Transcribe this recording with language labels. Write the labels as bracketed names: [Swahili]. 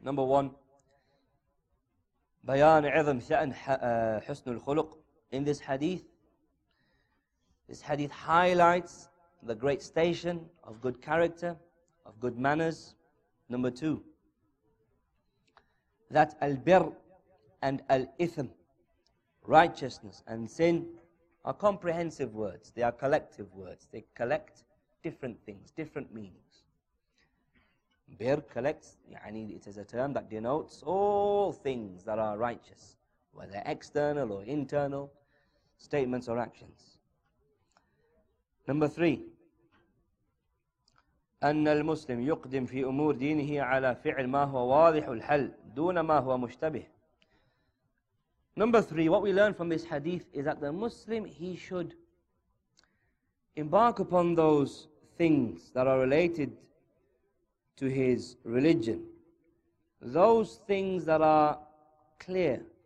[English] Number one, [Arabic] بيان عظم شأن حسن الخلق. [English] In this hadith highlights the great station of good character, of good manners. Number two, that البر and الإثم, righteousness and sin, are comprehensive words. They are collective words. They collect different things, different meanings. Bir collects, يعني, it is a term that denotes all things that are righteous, whether external or internal statements or actions. Number three, [Arabic] أن المسلم يقدم في أمور دينه على فعل ما هو واضح الحل دون ما هو مشتبه. [English] Number three, what we learn from this hadith is that the Muslim, he should embark upon those things that are related to his religion, those things that are clear.